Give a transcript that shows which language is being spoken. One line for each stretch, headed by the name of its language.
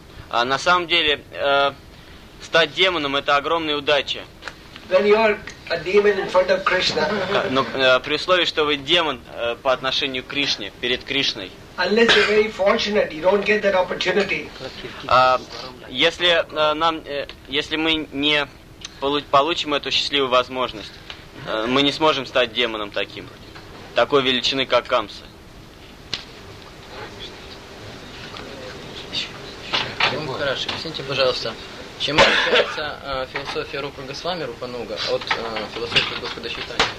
Russian: На самом деле, стать демоном – это огромная удача.
English: When you are a demon in front of Krishna.
Russian: Но при условии, что вы демон по отношению к Кришне, перед Кришной.
English: Unless you're very fortunate, you don't get that opportunity.
Russian: Если мы не получим эту счастливую возможность, мы не сможем стать демоном таким, такой величины, как Камса. Хорошо, объясните, пожалуйста, чем отличается философия Рупа Госвами, Рупануга, от философии Господа Чайтаньи?